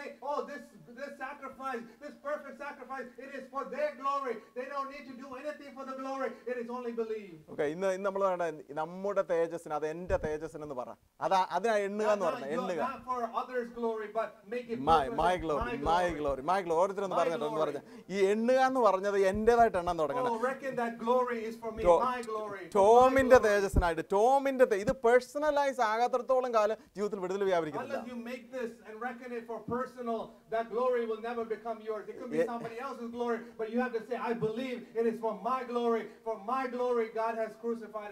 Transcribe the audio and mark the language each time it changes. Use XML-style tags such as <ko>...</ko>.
<en>Oh, this sacrifice, this perfect sacrifice, it is for their glory. They know don't need to do anything for the glory. It is only belief.</en> <ml>Okay, ഇന്ന് ഇന്ന് നമ്മൾ പറയുന്നത് നമ്മുടെ തേജസ്സിന് അത് എൻ്റെ തേജസ്സിന് എന്ന് പറ. അത് അതിനാ എണ്ണുക എന്ന് പറഞ്ഞു എണ്ണുക.</ml> <en>Not for others glory but make it my glory. My glory. My glory.</en> <ml>ഓർത്തു എന്ന് പറഞ്ഞു എന്ന് പറഞ്ഞു. ഈ എണ്ണുക എന്ന് പറഞ്ഞത് എൻ്റെതായിട്ട് എണ്ണാൻ തുടങ്ങണം.</ml> <en>Oh, reckon that glory is for me. My glory.</en> <ml>ടോമിൻ്റെ തേജസ്സിനായിട്ട് ടോമിൻ്റെ ഇത് പേഴ്സണലൈസ് ആകാത്തിടത്തോളം കാലം ജീവിതത്തിൽ വിടുതൽ വ്യാപരിക്കുന്നില്ല.</ml> <en>Unless you make this and reckon it for personal, that glory will never become yours. It could be somebody else's glory, but you have to say, I believe it is for my glory. For my glory, God has crucified</en>